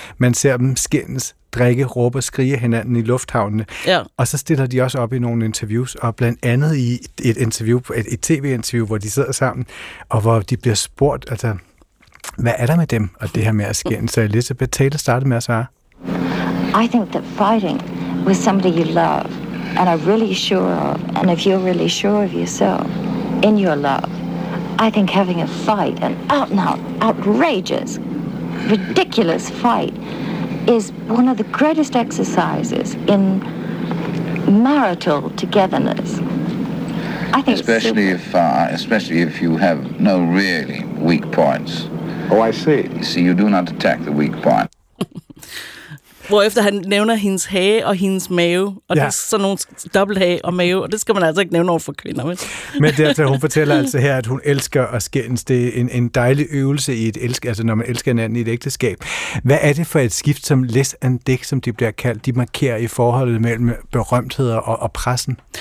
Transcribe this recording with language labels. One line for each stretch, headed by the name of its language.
Danish: Man ser dem skændes, drikke, råbe og skrige hinanden i lufthavnene. Ja. Og så stiller de også op i nogle interviews, og blandt andet i et tv-interview, hvor de sidder sammen, og hvor de bliver spurgt, hvad er der med dem, og det her med at skændes. Så Elizabeth Taylor startede med at svare.
English: I think that fighting with somebody you love, and are really sure of, and if you're really sure of yourself, in your love, I think having a fight, an out-and-out, outrageous, ridiculous fight, is one of the greatest exercises in marital togetherness. I think especially if you have no really weak points. Oh, I see. You see, you do not attack the weak point.
Danish: Hvorefter han nævner hendes hage og hendes mave, og det er sådan nogle dobbelt hage og mave, og det skal man altså ikke nævne over for kvinder. Men dertil, hun fortæller altså her, at hun elsker at skændes. Det er en dejlig øvelse, i et når man elsker hinanden i et ægteskab. Hvad er det for et skift, som Les and Dick, som de bliver kaldt, de markerer i forholdet mellem berømtheder og pressen?